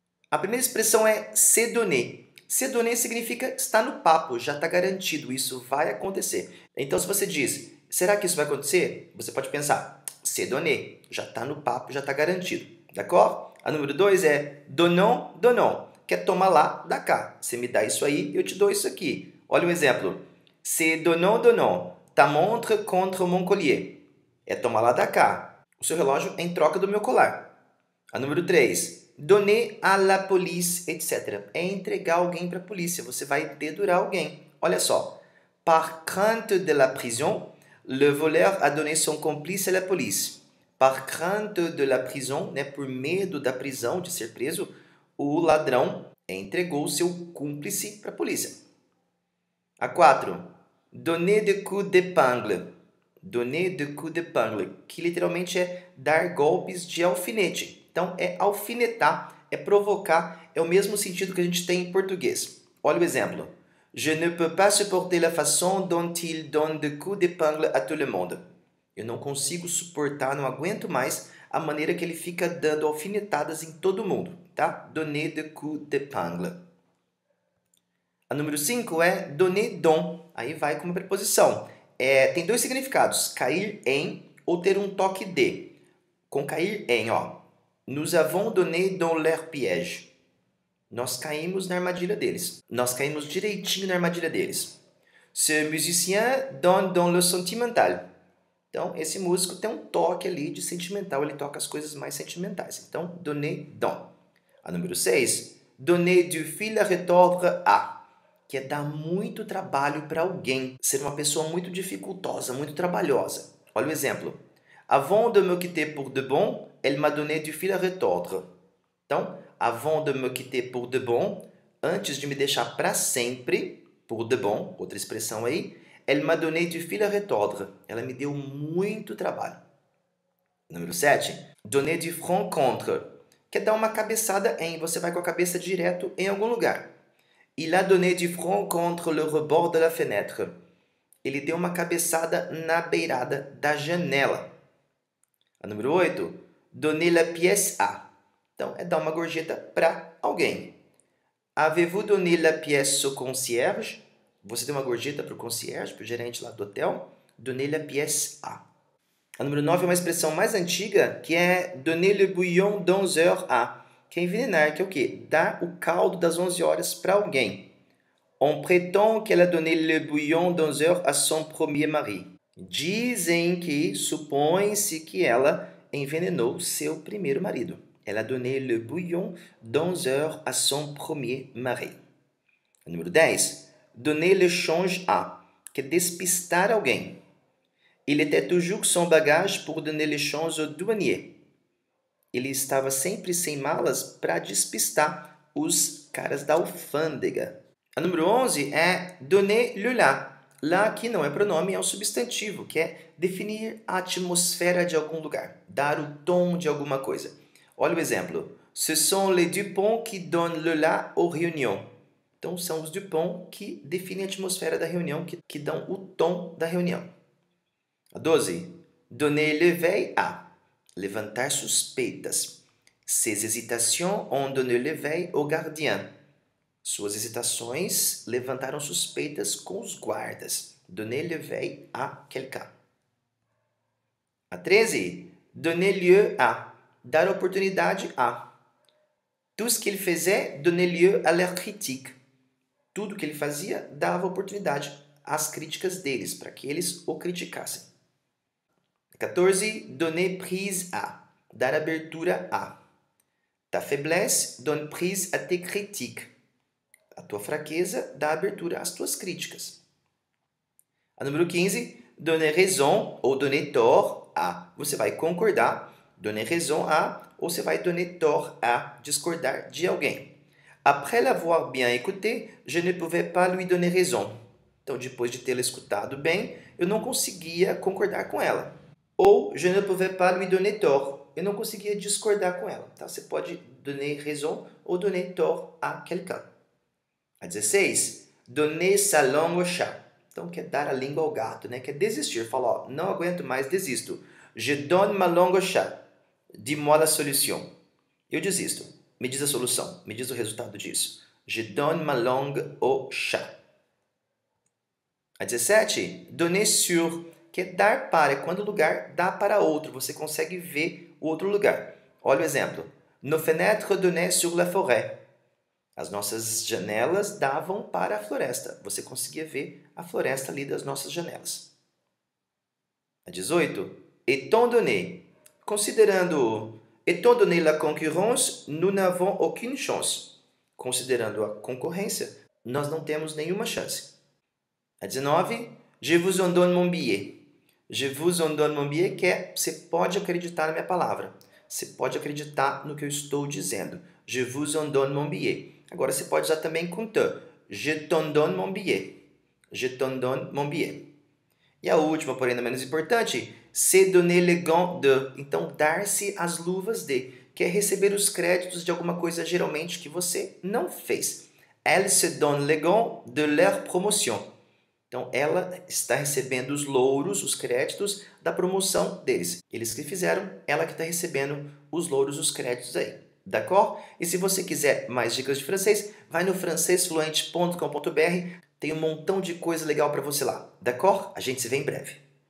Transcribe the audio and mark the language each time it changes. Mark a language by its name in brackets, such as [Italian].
[Portuguese] A primeira expressão é se donner. Se donner significa está no papo, já está garantido, isso vai acontecer. Então, se você diz, será que isso vai acontecer? Você pode pensar, se donner, já está no papo, já está garantido. D'accord? A número 2 é donnant, donnant, que é toma lá, dá cá. Você me dá isso aí, eu te dou isso aqui. Olha um exemplo. [French] C'est donnant, donnant, ta montre contre mon collier. [Portuguese] É toma lá, dá cá. O seu relógio é em troca do meu colar. A número 3. Donner à la police, etc. É entregar alguém para a polícia. Você vai dedurar alguém. Olha só. [French] Par crainte de la prison, le voleur a donné son complice à la police. Par crainte de la prison, [Portuguese] né, por medo da prisão, de ser preso, o ladrão entregou seu cúmplice para a polícia. A 4. [French] Donner de coup d'épingle. Donner de coup d'épingle, [Portuguese] que literalmente é dar golpes de alfinete. Então, é alfinetar, é provocar, é o mesmo sentido que a gente tem em português. Olha o exemplo. [French] Je ne peux pas supporter la façon dont il donne de coups d'épingle à tout le monde. [Portuguese] Eu não consigo suportar, não aguento mais a maneira que ele fica dando alfinetadas em todo mundo, tá? [French] Donner de coups d'épingle. [Portuguese] A número 5 é donner don. Aí vai com uma preposição. É, tem dois significados, cair em ou ter um toque de. Com cair em, ó. [French] Nous avons donné dans leur piège. [Portuguese] Nós caímos na armadilha deles. Nós caímos direitinho na armadilha deles. [French] Ce musicien donne dans le sentimental. [Portuguese] Então, esse músico tem um toque ali de sentimental. Ele toca as coisas mais sentimentais. Então, donné dans. A número 6. [French] Donné du fil à retordre à. [Portuguese] Que é dar muito trabalho para alguém. Ser uma pessoa muito dificultosa, muito trabalhosa. Olha o exemplo. [French] Avant de me quitter pour de bon, elle m'a donné du fil à retordre. [Portuguese] Então, [French] avant de me quitter pour de bon, [Portuguese] antes de me deixar para sempre, [French] pour de bon, [Portuguese] outra expressão aí, [French] elle m'a donné du fil à retordre. [Portuguese] Ela me deu muito trabalho. Número 7. [French] Donner du front contre, [Portuguese] que é dar uma cabeçada em, você vai com a cabeça direto em algum lugar. [French] Il a donné du front contre le rebord de la fenêtre. [Portuguese] Ele deu uma cabeçada na beirada da janela. A número 8, [French] donner la pièce à. [Portuguese] Então, é dar uma gorjeta para alguém. [French] Avez-vous donné la pièce au concierge? [Portuguese] Você deu uma gorjeta para o concierge, para o gerente lá do hotel? [French] Donner la pièce à. [Portuguese] A número 9 é uma expressão mais antiga, que é [French] donner le bouillon d'11 heures à. [Portuguese] Que é envenenar, que é o quê? Dar o caldo das 11 horas para alguém. [French] On prétend qu'elle a donné le bouillon d'11 heures à son premier mari. [Portuguese] Dizem que, supõe-se que ela envenenou seu primeiro marido. Ela [French] donnait le bouillon d'11 heures à son premier mari. [Portuguese] Número 10. [French] Donner le change à, [Portuguese] que é despistar alguém. [French] Il était toujours sans bagage pour donner le change au douanier. [Portuguese] Ele estava sempre sem malas para despistar os caras da alfândega. A número 11 é [French] donner le là. [Portuguese] Lá que não é pronome, é um substantivo, que é definir a atmosfera de algum lugar, dar o tom de alguma coisa. Olha o exemplo. [French] Ce sont les Dupont qui donnent le la aux réunions. [Portuguese] Então, são os Dupont que definem a atmosfera da reunião, que dão o tom da reunião. A 12. [French] Donner l'éveil à. [Portuguese] Levantar suspeitas. [French] Ses hésitations ont donné l'éveil au gardien. [Portuguese] Suas hesitações levantaram suspeitas com os guardas. [French] Donner le veille à quelqu'un. [Portuguese] A 13. [French] Donner lieu à. [Portuguese] Dar oportunidade a. [French] Tout ce qu'il faisait donnait lieu à leur critique. [Portuguese] Tudo que ele fazia dava oportunidade às críticas deles, para que eles o criticassem. 14. [French] Donner prise à. [Portuguese] Dar abertura a. [French] Ta faiblesse donne prise à tes critiques. [Portuguese] A tua fraqueza dá abertura às tuas críticas. A número 15, [French] donner raison ou donner tort à. [Portuguese] Você vai concordar, [French] donner raison à, [Portuguese] ou você vai [French] donner tort à, [Portuguese] discordar de alguém. [French] Après l'avoir bien écouté, je ne pouvais pas lui donner raison. [Portuguese] Então, depois de tê-la escutado bem, eu não conseguia concordar com ela. [French] Ou, je ne pouvais pas lui donner tort. [Portuguese] Eu não conseguia discordar com ela. Tá? Você pode [French] donner raison ou donner tort à quelqu'un. [Portuguese] A 16. [French] Donner sa langue au chat. [Portuguese] Então, quer dar a língua ao gato, né? Quer desistir. Fala, ó, não aguento mais, desisto. [French] Je donne ma langue au chat. Dis-moi la solution. [Portuguese] Eu desisto. Me diz a solução. Me diz o resultado disso. [French] Je donne ma langue au chat. [Portuguese] A 17. Donner sur. Que é dar para. É quando o lugar dá para outro. Você consegue ver o outro lugar. Olha o exemplo. [French] Nos fenêtres donnaient sur la forêt. [Portuguese] As nossas janelas davam para a floresta. Você conseguia ver a floresta ali das nossas janelas. A 18. Étant donné. Considerando. [French] Étant donné la concurrence, nous n'avons aucune chance. [Portuguese] Considerando a concorrência, nós não temos nenhuma chance. A 19. [French] Je vous en donne mon billet. Je vous en donne mon billet, [Portuguese] que é você pode acreditar na minha palavra. Você pode acreditar no que eu estou dizendo. [French] Je vous en donne mon billet. [Portuguese] Agora você pode usar também com te. [French] Je t'en donne mon billet. Je t'en donne mon billet. [Portuguese] E a última, porém não menos importante, [French] se donner les gants de. [Portuguese] Então, dar-se as luvas de, que é receber os créditos de alguma coisa geralmente que você não fez. [French] Elle se donne les gants de leur promotion. [Portuguese] Então, ela está recebendo os louros, os créditos da promoção deles. Eles que fizeram, ela que está recebendo os louros, os créditos aí. D'accord? E se você quiser mais dicas de francês, vai no francesfluente.com.br. Tem um montão de coisa legal para você lá. D'accord? A gente se vê em breve.